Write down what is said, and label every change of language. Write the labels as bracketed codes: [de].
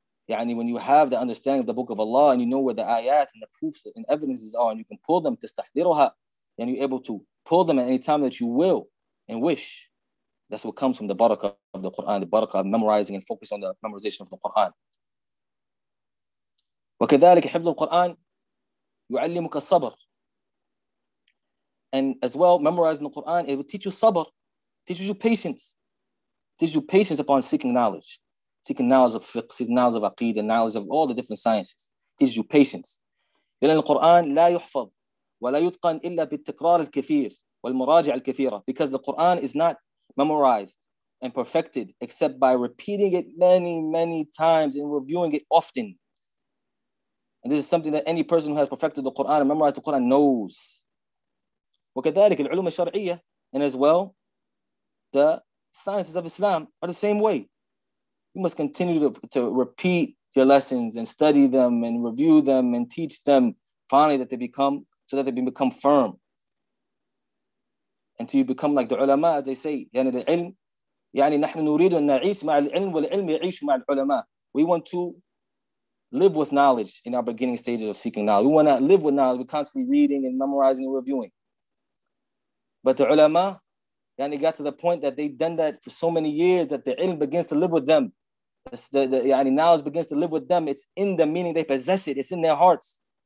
[en] يعني when you have the understanding of the Book of Allah and you know where the ayat and the proofs and evidences are, and you can pull them to استحضرها, and you're able to pull them at any time that you will and wish. That's what comes from the barakah of the Quran, the barakah of memorizing and focus on the memorization of the Quran. [ar] وكذلك حفظ القرآن يعلمك الصبر. [en] And as well, memorizing the Quran, it will teach you sabr, teaches you patience upon seeking knowledge of fiqh, seeking knowledge of aqidah, knowledge of all the different sciences. Teaches you patience. [ar] لأن القرآن لا يحفظ ولا يتقن إلا بالتكرار الكثير والمراجع الكثيرة. [en] Because the Quran is not memorized and perfected except by repeating it many, many times and reviewing it often. And this is something that any person who has perfected the Quran and memorized the Quran knows. [ar] وكذلك العلوم الشرعية, [en] and as well, the sciences of Islam are the same way. You must continue to repeat your lessons and study them and review them and teach them finally that they become, so that they become firm. Until you become like the ulama, as they say, [ar] يعني العلم, يعني نحن نريد أن نعيش مع العلم والعلم يعيش مع العلماء. [en] We want to live with knowledge in our beginning stages of seeking knowledge. We want to live with knowledge. We're constantly reading and memorizing and reviewing. But the ulama, yani, got to the point that they've done that for so many years that the ilm begins to live with them. The knowledge begins to live with them. It's in them, meaning they possess it. It's in their hearts.